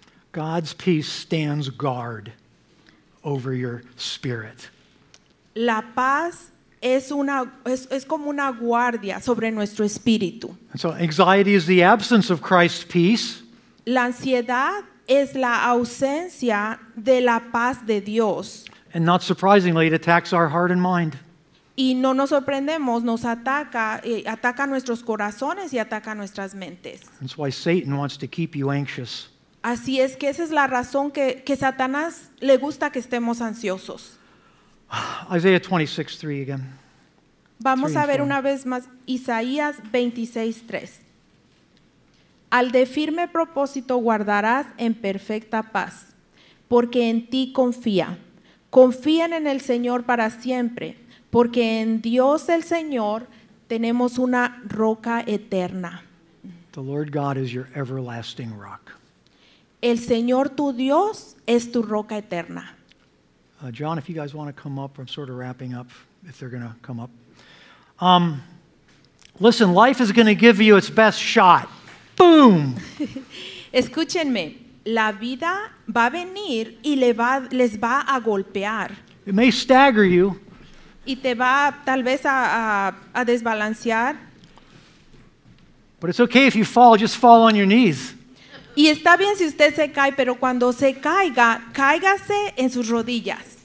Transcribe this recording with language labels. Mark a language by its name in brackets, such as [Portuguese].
[English] God's peace stands guard over your spirit. [Spanish] La paz es como una guardia sobre nuestro espíritu. [English] And so anxiety is the absence of Christ's peace. [Spanish] La ansiedad es la ausencia de la paz de Dios. [English] And not surprisingly, it attacks our heart and mind. [Spanish] Y no nos sorprendemos, nos ataca nuestros corazones y ataca nuestras mentes. [English] That's why Satan wants to keep you anxious. [Spanish] Así es que esa es la razón que Satanás le gusta que estemos ansiosos. [English] Isaiah 26:3 again. [Spanish] Vamos a ver una vez más Isaías 26:3. Al de firme propósito guardarás en perfecta paz, porque en ti confía. Confíen en el Señor para siempre, porque en Dios el Señor tenemos una roca eterna. [English] The Lord God is your everlasting rock. [Spanish] El Señor tu Dios es tu roca eterna. [English] John, if you guys want to come up, I'm sort of wrapping up, if they're going to come up. Listen, life is going to give you its best shot. Boom! [Spanish] Escúchenme, la vida va a venir y les va a golpear. [English] It may stagger you. [Spanish] Y te va tal vez a desbalancear. [English] But it's okay if you fall, just fall on your knees. [Spanish] Y está bien si usted se cae, pero cuando se caiga, cáigase en sus rodillas.